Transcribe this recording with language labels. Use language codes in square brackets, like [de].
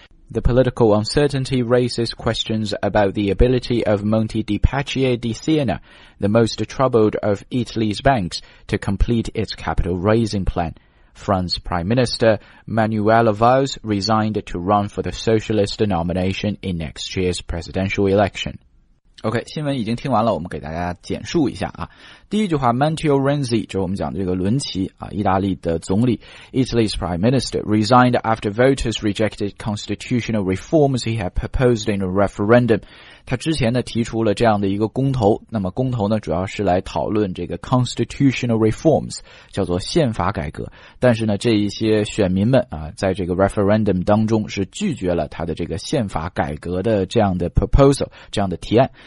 [en] The political uncertainty raises questions about the ability of Monte dei Paschi di Siena, the most troubled of Italy's banks, to complete its capital raising plan. France Prime Minister Manuel Valls resigned to run for the socialist nomination in next year's presidential election. [zh] OK, 新闻已经听完了，我们给大家简述一下啊。第一句话 ,Matteo Renzi, 就我们讲这个伦奇啊，意大利的总理 , [en] Italy's Prime Minister, resigned after voters rejected constitutional reforms he had proposed in a referendum. [zh] 他之前呢提出了这样的一个公投，那么公投呢主要是来讨论这个 constitutional reforms, 叫做宪法改革。但是呢这一些选民们啊，在这个 referendum 当中是拒绝了他的这个宪法改革的这样的 proposal, 这样的提案。